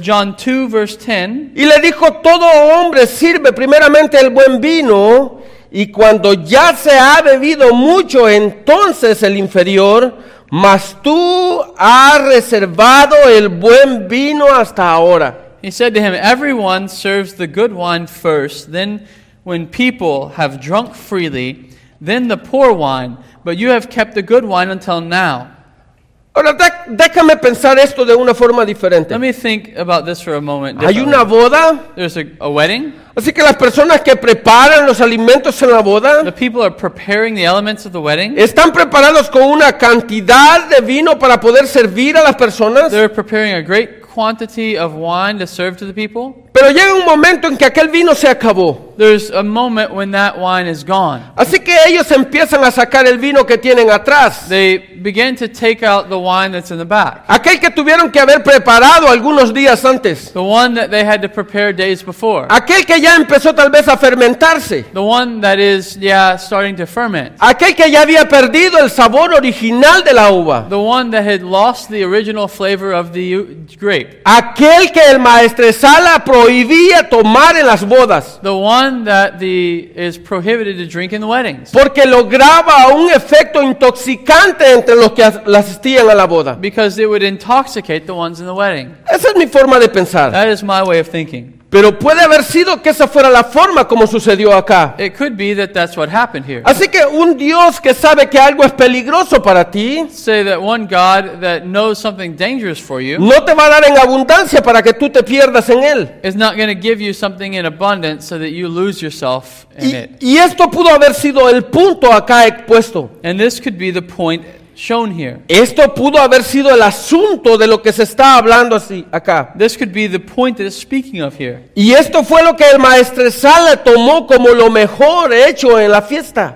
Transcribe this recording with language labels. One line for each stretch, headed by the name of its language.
English: John 2 verse 10.
Spanish: Y le dijo, todo hombre sirve primeramente el buen vino, y cuando ya se ha bebido mucho, entonces el inferior, mas tú has reservado el buen vino hasta ahora.
English: He said to him, everyone serves the good wine first, then when people have drunk freely, then the poor wine, but you have kept the good wine until now.
Spanish: Ahora déjame pensar esto de una forma diferente.
English: Let me think about this for a moment.
Spanish: Hay una boda.
English: There's a wedding.
Spanish: Así que las personas que preparan los alimentos en la boda,
English: the people are preparing the elements of the wedding,
Spanish: están preparados con una cantidad de vino para poder servir a las personas.
English: They're preparing a great quantity of wine to serve to the people.
Spanish: Pero llega un momento en que aquel vino se acabó.
English: There's a moment when that wine is gone.
Spanish: Así que ellos empiezan a sacar el vino que tienen atrás.
English: They begin to take out the wine that's in the back.
Spanish: Aquel que tuvieron que haber preparado algunos días antes.
English: The one that they had to prepare days before.
Spanish: Aquel que ya empezó tal vez a fermentarse.
English: The one that is, yeah, starting to ferment.
Spanish: Aquel que ya había perdido el sabor original de la uva.
English: The one that had lost the original flavor of the grape.
Spanish: Aquel que el maestresala prohibía tomar en las bodas.
English: The one that is prohibited to drink in the weddings.
Spanish: Porque lograba un efecto intoxicante entre los que asistían a la boda.
English: Because it would intoxicate the ones in the wedding.
Spanish: Esa es mi forma de pensar.
English: That is my way of thinking.
Spanish: Pero puede haber sido que esa fuera la forma como sucedió acá.
English: It could be that that's what happened here.
Spanish: Así que un Dios que sabe que algo es peligroso para ti,
English: say that one God that knows something dangerous for you,
Spanish: no te va a dar en abundancia para que tú te pierdas en él.
English: Is not going to give you something in abundance so that you lose yourself in it.
Spanish: Y esto pudo haber sido el punto acá expuesto.
English: And this could be the point shown here.
Spanish: Esto pudo haber sido el asunto de lo que se está hablando así acá.
English: This could be the point that is speaking of here.
Spanish: Y esto fue lo que el maestresala tomó como lo mejor hecho en la fiesta.